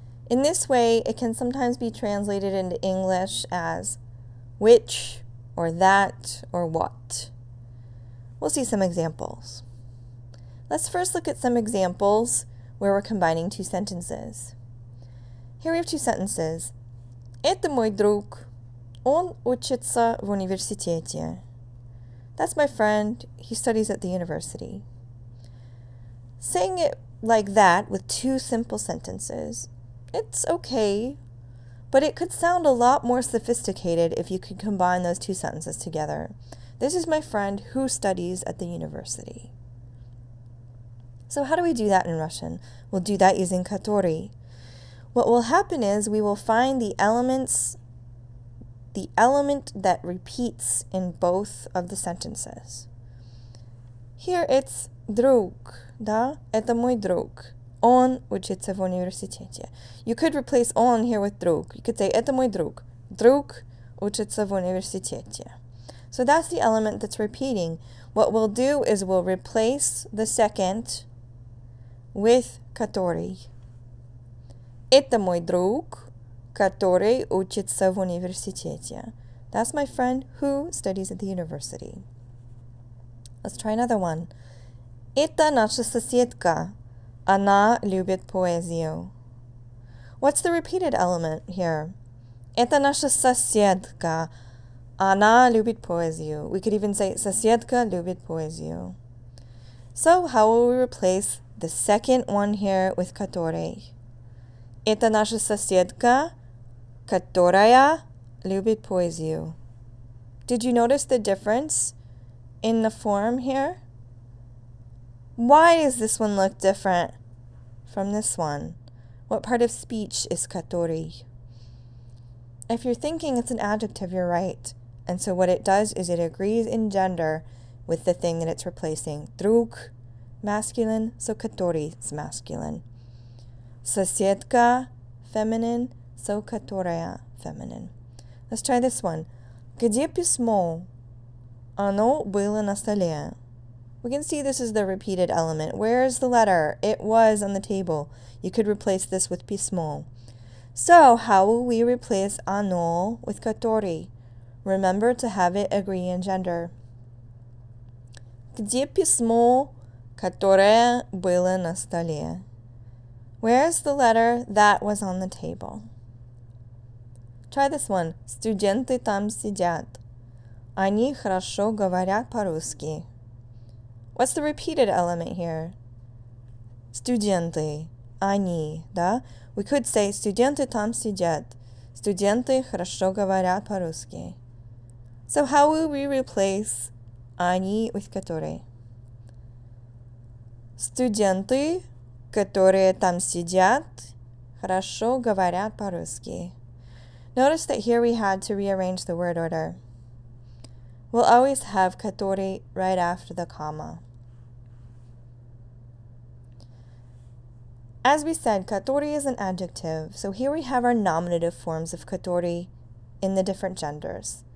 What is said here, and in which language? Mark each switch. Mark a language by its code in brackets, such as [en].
[en] In this way, it can sometimes be translated into English as which, or that, or what. We'll see some examples. Let's first look at some examples where we're combining two sentences. Here we have two sentences. [ru] Это мой друг. Он учится в университете. [en] That's my friend. He studies at the university. Saying it like that with two simple sentences, it's okay. But it could sound a lot more sophisticated if you could combine those two sentences together. This is my friend who studies at the university. So how do we do that in Russian? We'll do that using который. What will happen is we will find the element that repeats in both of the sentences. Here it's [ru] друг, да? Это мой друг. Он учится в университете. [en] You could replace он here with друг. You could say, [ru] это мой друг. Друг учится в университете. [en] So that's the element that's repeating. What we'll do is we'll replace the second with который. [ru] Это мой друг, который учится в университете. [en] That's my friend who studies at the university. Let's try another one. [ru] Это наша соседка. Она любит поэзию. [en] What's the repeated element here? [ru] Это наша соседка. Она любит поэзию. [en] We could even say [ru] соседка любит поэзию. [en] So how will we replace the second one here with который? [ru] Это наша соседка, которая любит поэзию. [en] Did you notice the difference in the form here? Why does this one look different from this one? What part of speech is katori? If you're thinking it's an adjective, you're right. And so what it does is it agrees in gender with the thing that it's replacing. Друг, masculine, so katori is masculine. Соседка, feminine, so которая, feminine. Let's try this one. [ru] Где письмо? Оно было на столе. [en] We can see this is the repeated element. Where is the letter? It was on the table. You could replace this with письмо. So how will we replace оно with который? Remember to have it agree in gender. [ru] Где письмо, которое было на столе? [en] Where is the letter that was on the table? Try this one. [ru] Студенты там сидят. Они хорошо говорят по-русски. [en] What's the repeated element here? [ru] Студенты, они, да? [en] We could say [ru] студенты там сидят. Студенты хорошо говорят по-русски. [en] So how will we replace они with которые? [ru] Студенты, которые там сидят, хорошо говорят по-русски. [en] Notice that here we had to rearrange the word order. We'll always have которые right after the comma. As we said, katori is an adjective, so here we have our nominative forms of katori in the different genders.